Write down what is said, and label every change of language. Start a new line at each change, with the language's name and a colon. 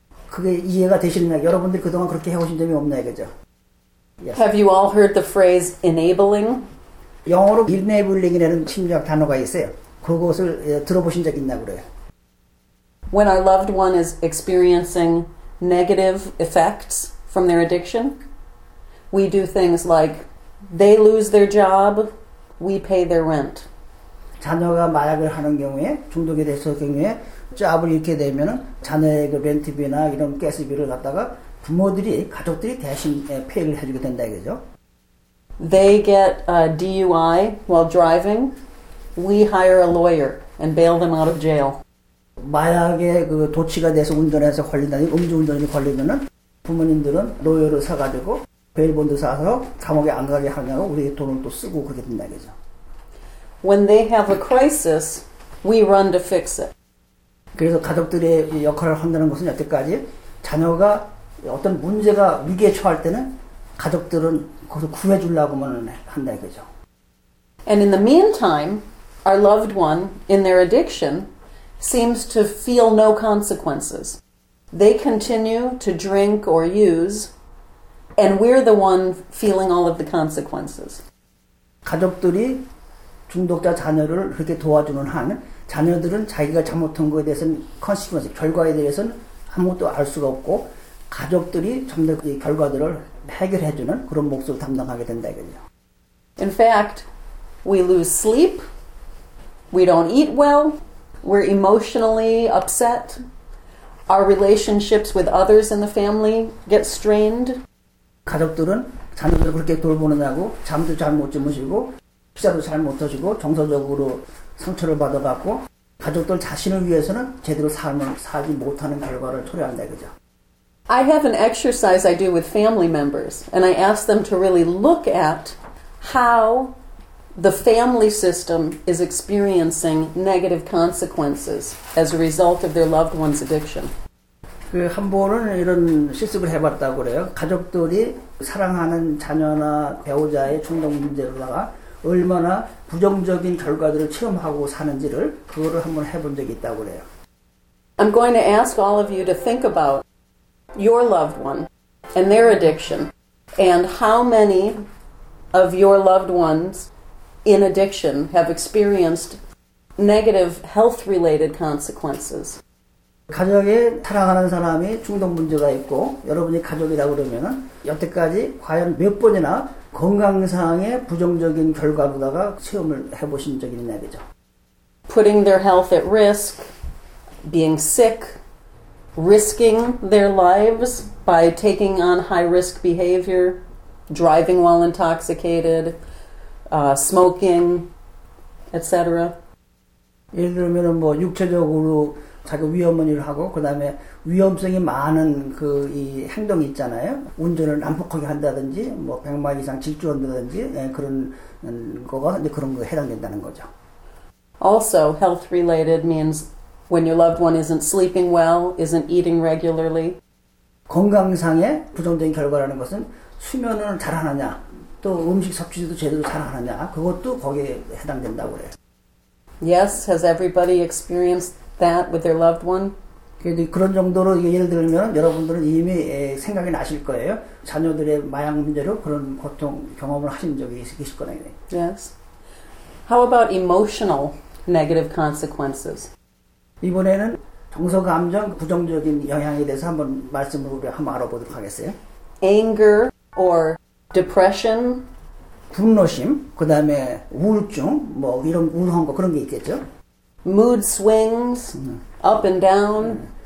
Korean: 그게 이해가 되시느냐? 여러분들이 그동안 그렇게 해오신 점이 없나요, 그죠?
English: Yes. Have you all heard the phrase enabling?
Korean: 영어로 enabling이라는 심리학 단어가 있어요. 그것을 들어보신 적 있나 그래요.
English: When our loved one is experiencing negative effects from their addiction, we do things like they lose their job, we pay their rent.
Korean: 자녀가 마약을 하는 경우에 중독에 대해서 경우에 잡을 잃게 되면 자녀의 그 렌트비나 이런 가스비를 갖다가 부모들이 가족들이 대신 페이를 해주게 된다 이거죠.
English: They get a DUI while driving. We hire a lawyer and bail them out of jail.
Korean: 마약에 그 도취가 돼서 운전해서 걸린다니 음주운전이 걸리면은 부모님들은 노예를 사가지고 베일본드 사서 감옥에 안 가게 하려고 우리 돈을 또 쓰고 그렇게 된다 그죠.
English: When they have a crisis, we run to fix it.
Korean: 그래서 가족들의 역할을 한다는 것은 여태까지 자녀가 어떤 문제가 위기에 처할 때는 가족들은 거기서 구해주려고만 한다 그죠.
English: And in the meantime, our loved one in their addiction seems to feel no consequences. They continue to drink or use, and we're the one feeling all of the consequences.
Korean: 가족들이 중독자 자녀를 그렇게 도와주는 한 자녀들은 자기가 잘못한 것에 대해서는 consequences, 결과에 대해서는 아무것도 알 수가 없고 가족들이 점점 그 결과들을 해결해주는 그런 목소리를 담당하게 된다 이거죠.
English: In fact, we lose sleep, we don't eat well, we're emotionally upset, our relationships with others in the family get strained.
Korean: 가족들은 자녀들을 그렇게 돌보느라고 잠도 잘 못 주무시고 식사도 잘 못 하시고 정서적으로 상처를 받아갖고 가족들 자신을 위해서는 제대로 삶을 살지 못하는 결과를 초래한다 이거죠.
English: I have an exercise I do with family members, and I ask them to really look at how the family system is experiencing negative consequences as a result of their loved one's addiction.
Korean: 그 한 번은 이런 실습을 해봤다고 그래요. 가족들이 사랑하는 자녀나 배우자의 충동 문제로다가 얼마나 부정적인 결과들을 체험하고 사는지를 그거를 한번 해본 적이 있다고 그래요.
English: I'm going to ask all of you to think about your loved one and their addiction and how many of your loved ones in addiction have experienced negative health-related consequences.
Korean: 가족에 사랑하는 사람이 중독 문제가 있고 여러분이 가족이라고 그러면 여태까지 과연 몇 번이나 건강상의 부정적인 결과로다가 체험을 해보신 적이 있나 보죠.
English: Putting their health at risk, being sick, risking their lives by taking on high-risk behavior, driving while intoxicated, smoking, etc.
Korean: 예를 들면 뭐 육체적으로 자기 위험한 일을 하고 그 다음에 위험성이 많은 그 이 행동이 있잖아요. 운전을 난폭하게 한다든지 뭐 100마일 이상 질주한다든지 예, 그런 거가 이제 그런 거에 해당된다는 거죠.
English: Also, health related means when your loved one isn't sleeping well, isn't eating regularly.
Korean: 건강상의 부정적인 결과라는 것은 수면을 잘 하느냐, 또 음식 섭취도 제대로 잘 하느냐, 그것도 거기에 해당된다고 그래요.
English: Yes, has everybody experienced that with their loved one?
Korean: 그런 정도로 예를 들면 여러분들은 이미 생각이 나실 거예요. 자녀들의 마약 문제로 그런 고통 경험을 하신 적이 있으실 거네요.
English: Yes. How about emotional negative consequences?
Korean: 이번에는 정서 감정 부정적인 영향에 대해서 한번 말씀을 우리 한번 알아보도록 하겠어요.
English: Anger or depression,
Korean: 분노심, 그 다음에 우울증, 뭐 이런 우울한 거 그런 게 있겠죠.
English: Mood swings, up and down.